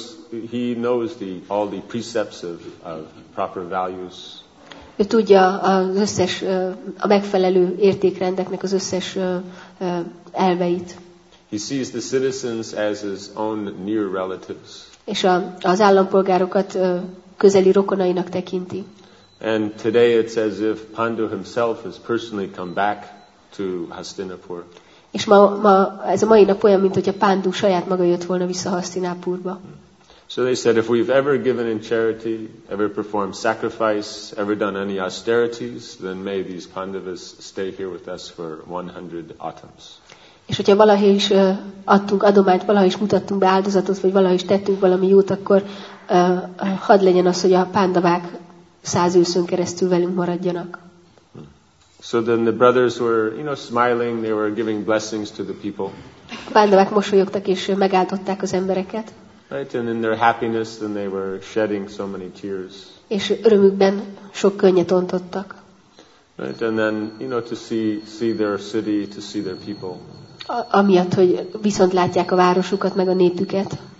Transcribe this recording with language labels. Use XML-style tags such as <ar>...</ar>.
<en>He knows all the precepts of proper values.</en> <hu>Ő tudja az összes a megfelelő értékrendeknek az összes elveit.</hu> <en>He sees the citizens as his own near relatives.</en> <hu>És az állampolgárokat közeli rokonainak tekinti.</hu> <en>And today it's as if Pandu himself has personally come back to Hastinapur.</en> <hu>És ma ez a mai nap olyan, mint hogyha Pandu saját maga jött volna vissza Hastinapurba.</hu> <en>So they said, if we've ever given in charity, ever performed sacrifice, ever done any austerities, then may these Pandavas stay here with us for 100 autumns.</en> <hu>És hogyha valaha is adtunk adományt, valaha is mutattunk be áldozatot, vagy valaha is tettünk valami jót, akkor hadd legyen az, hogy a Pandavák 100 őszön keresztül velünk maradjanak.</hu> <en>So then the brothers were, you know, smiling, they were giving blessings to the people.</en> <hu>A Pandavák mosolyogtak és megáldották az embereket.</hu> <en>Right, and in their happiness, then they were shedding so many tears.</en> <hu>És örömükben sok könnyet ontottak.</hu> <en>Right, and then, you know, to see their city, to see their people.</en> <hu>Amiatt, hogy viszont látják a városukat, meg a népüket.</hu>